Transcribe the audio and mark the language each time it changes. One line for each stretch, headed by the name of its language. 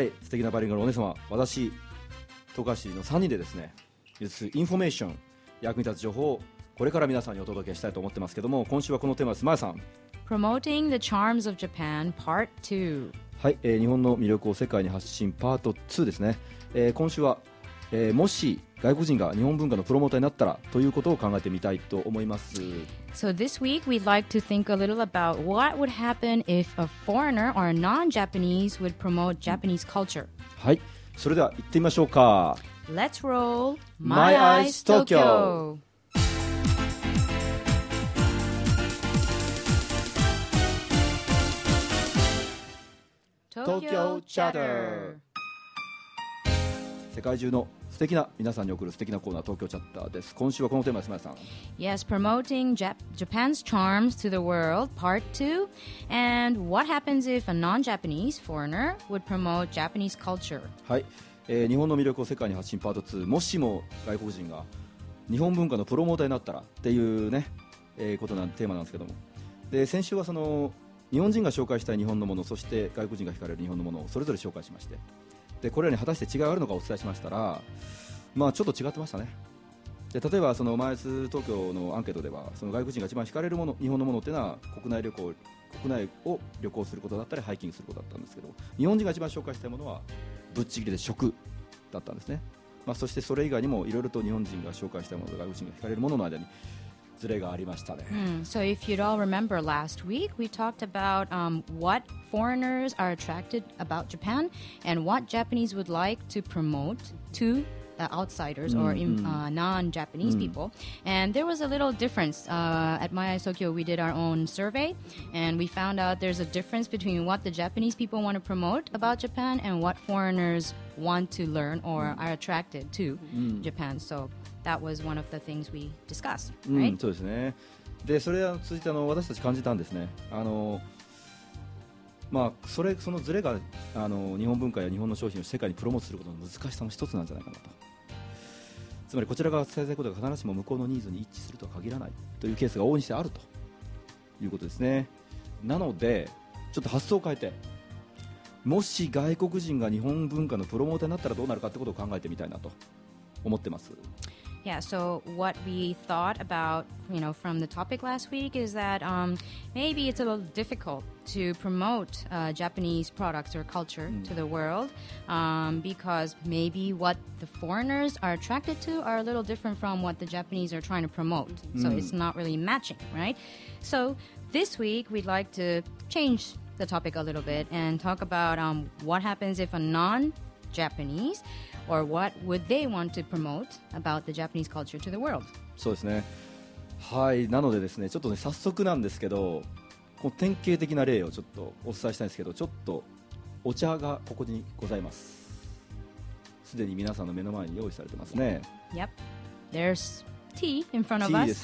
Japanese: はい、素敵なバイリンガルお姉様、私トカシの3人でですね、インフォメーション、役に立つ情報をこれから皆さんにお届けしたいと思ってますけども、今週はこのテーマです。マヤさん、
English: Promoting the Charms of Japan Part 2。
Japanese: はい、日本の魅力を世界に発信パート2ですね。今週は、もし外国人が日本文化のプロモーターになったらということを考えてみたいと思います。
English: So this week we'd like to think a little about what would happen if a foreigner or a non-Japanese would promote Japanese culture。
Japanese: はい、それでは行ってみましょうか。
English: Let's roll My Eyes Tokyo。
Japanese: 東京チャター、世界中の素敵な皆さんに送る素敵なコーナー、東京チャッターです。今週はこのテーマです。マヤさん、
English: Yes, promoting Japan's charms to the world part 2 and what happens if a non-Japanese foreigner would promote Japanese culture。
Japanese: はい、日本の魅力を世界に発信パート2、もしも外国人が日本文化のプロモーターになったらっていうね、ことなんテーマなんですけども、で先週はその日本人が紹介したい日本のもの、そして外国人が惹かれる日本のものをそれぞれ紹介しまして、でこれらに果たして違いあるのかお伝えしましたら、まあちょっと違ってましたね。で例えばそのマイス東京のアンケートでは、その外国人が一番惹かれるもの、日本のものっていうのは国内を旅行することだったりハイキングすることだったんですけど、日本人が一番紹介したいものはぶっちぎりで食だったんですね、まあ、そしてそれ以外にもいろいろと日本人が紹介したいものと外国人が惹かれるものの間にズレがありましたね。
English: So if you'd all remember last week, we talked about what foreigners are attracted about Japan and what Japanese would like to promote to outsiders or non-Japanese people. And there was a little difference. At My Eyes Tokyo, we did our own survey and we found out there's a difference between what the Japanese people want to promote about Japan and what foreigners want to learn or are attracted to Japan. So. That was one of the things we discussed, right?
Japanese: うん、そうですね。で、それを通じて私たち感じたんですね。まあ、そのズレが日本文化や日本の商品を世界にプロモートすることの難しさの一つなんじゃないかなと。つまりこちらが伝えたいことが必ずしも向こうのニーズに一致するとは限らないというケースが往々にしてあるということですね。なのでちょっと発想を変えて、もし外国人が日本文化のプロモーターになったらどうなるかってことを考えてみたいなと思ってます。
English: Yeah, so what we thought about, you know, from the topic last week is that maybe it's a little difficult to promote Japanese products or culture to the world because maybe what the foreigners are attracted to are a little different from what the Japanese are trying to promote. So it's not really matching, right? So this week we'd like to change the topic a little bit and talk about what happens if a non-Japanese Japanese or what would they want to promote about the Japanese culture to the world?
Japanese: そうですね。はい、なのでですね、ちょっとね、早速なんですけど、この典型的な例をちょっとお伝えしたいんですけど、ちょっとお茶がここにございます。すでに皆さんの目の前に用意されてますね。
English: Yep. There's tea in front of us.